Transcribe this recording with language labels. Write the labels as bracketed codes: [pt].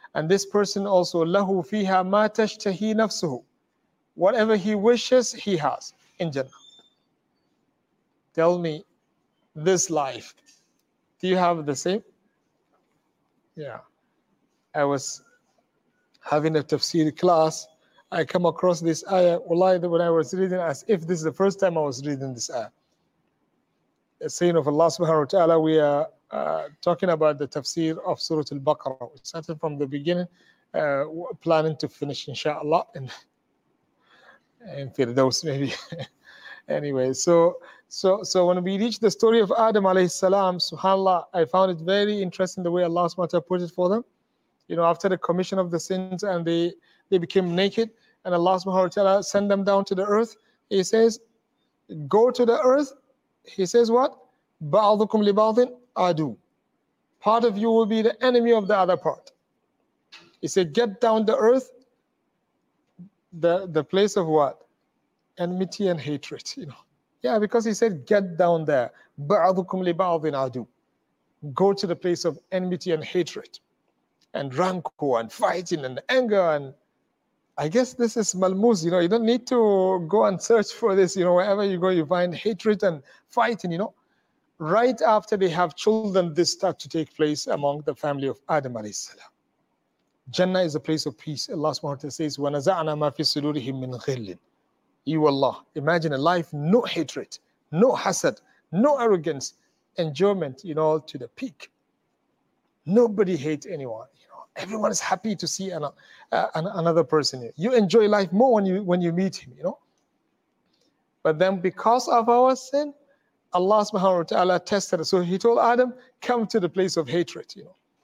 [en] And this person also, [ar] لَهُ فِيهَا مَا تَشْتَهِي نَفْسُهُ. [en] Whatever he wishes, he has in Jannah. Tell me, this life, do you have the same? Yeah. I was having a tafsir class. I come across this ayah. Wallahi, when I was reading, as if this is the first time I was reading this ayah. A saying of Allah subhanahu wa ta'ala, we are talking about the tafsir of Surah Al-Baqarah. We started from the beginning, planning to finish, inshallah, in Firdaus maybe. Anyway, so when we reach the story of Adam alayhi salam, subhanAllah, I found it very interesting the way Allah subhanahu wa ta'ala put it for them. You know, after the commission of the sins and they became naked, and Allah subhanahu wa ta'ala sent them down to the earth, he says, go to the earth. He says what? [ar] بَعْضُكُمْ لِبَعْضٍ adu. [en] Part of you will be the enemy of the other part. He said, get down the earth, the place of what? Enmity and hatred, you know. Yeah, because he said, get down there. [ar] بَعْضُكُمْ لِبَعْضٍ adu. [en] Go to the place of enmity and hatred and rancor and fighting and anger. And I guess this is malmuz, you know. You don't need to go and search for this, you know. Wherever you go, you find hatred and fighting, you know. Right after they have children, this starts to take place among the family of Adam alayhi salam. Jannah is a place of peace. Allah subhanahu wa ta'ala says, [ar] وَنَزَعْنَا مَا فِي صُدُورِهِمْ مِنْ غِلٍّ. [en] You Allah, imagine a life, no hatred, no hasad, no arrogance, enjoyment, you know, to the peak. Nobody hates anyone. Everyone is happy to see another person. You enjoy life more when you meet him, you know. But then because of our sin, Allah subhanahu wa ta'ala tested us. So he told Adam, come to the place of hatred, you know.